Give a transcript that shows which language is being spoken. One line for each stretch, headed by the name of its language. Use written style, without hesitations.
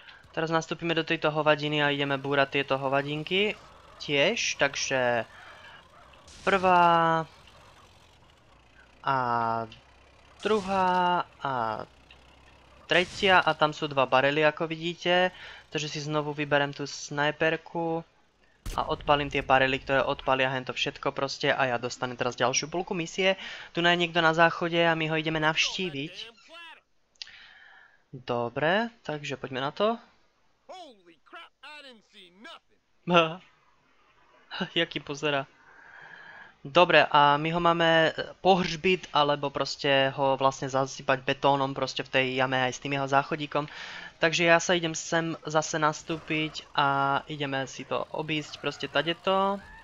Slovak: Teraz nastúpime do tejto hovadiny a ideme búrať tieto hovadinky tiež, takže prvá a druhá a tretia a tam sú dva barely, ako vidíte, takže si znovu vyberem tú snajperku a odpalím tie barely, ktoré odpalia hento všetko proste a ja dostanem teraz ďalšiu polku misie. Tu je niekto na záchode a my ho ideme navštíviť. Dobre, takže poďme na to.
English: Holy crap, I didn't see nothing.
Slovak: Jaký pozera. Dobre, a my ho máme pohržbiť, alebo proste ho vlastne zasypať betónom proste v tej jame aj s tým jeho záchodíkom. Takže ja sa idem sem zase nastúpiť a ideme si to obísť proste tadeto.